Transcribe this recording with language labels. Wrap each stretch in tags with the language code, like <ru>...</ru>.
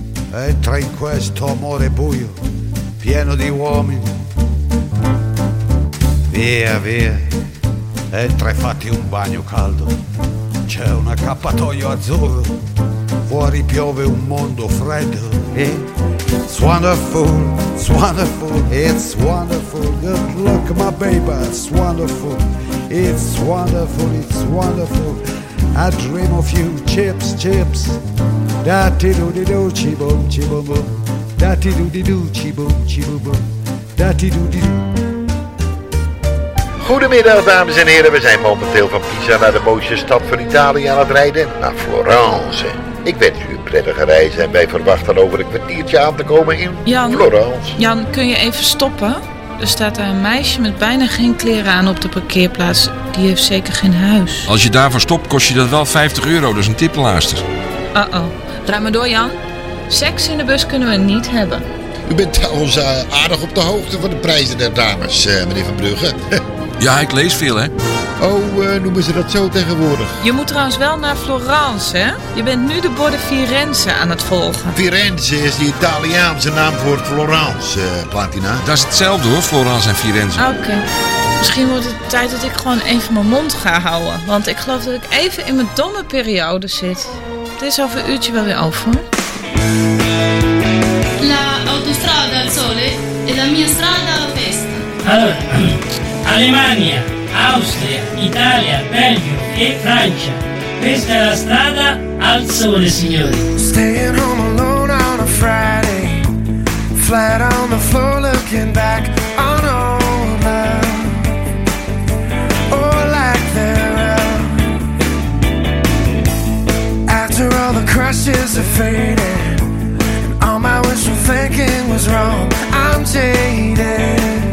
<it>Entra in questo amore buio, pieno di uomini. Via, via, entra e fatti un bagno caldo. C'è un accappatoio azzurro, fuori piove un mondo freddo.</it> <en>It's wonderful, it's wonderful, it's wonderful. Good luck, my baby, it's wonderful. It's wonderful, it's wonderful. I dream of you, chips, chips. dati du di du ci bom ci bom bom, dati du di du ci bom ci bom bom, dati du di du.</en> <nl>Goedemiddag dames en heren, we zijn momenteel van Pisa naar de mooiste stad van Italië aan het rijden, naar Florence. Ik wens u een prettige reis en wij verwachten over een kwartiertje aan te komen in Jan, Florence. Jan, kun je even stoppen? Er staat daar een meisje met bijna geen kleren aan op de parkeerplaats. Die heeft zeker geen huis. Als je daarvoor stopt, kost je dat wel 50 euro, dus een tippenlaarster. Draai maar door Jan. Seks in de bus kunnen we niet hebben. U bent trouwens aardig op de hoogte van de prijzen der dames, meneer Van Brugge. Ja, ik lees veel, hè? Noemen ze dat zo tegenwoordig? Je moet trouwens wel naar Florence, hè? Je bent nu de borden Firenze aan het volgen. Firenze is de Italiaanse naam voor Florence, Platina. Dat is hetzelfde, hoor, Florence en Firenze. Oké. Misschien wordt het tijd dat ik gewoon even mijn mond ga houden. Want ik geloof dat ik even in mijn domme periode zit. Het is over een uurtje wel weer over.</nl> <it>La autostrada al sole e la mia strada alla festa. Alemania, Austria, Italia, Belgio e Francia. Questa è la strada al sole, signori.</it> <en>Staying home alone on a Friday, flat on the floor looking back on all the or lack thereof. After all the crushes have faded, and all my wishful thinking was wrong, I'm jaded.</en>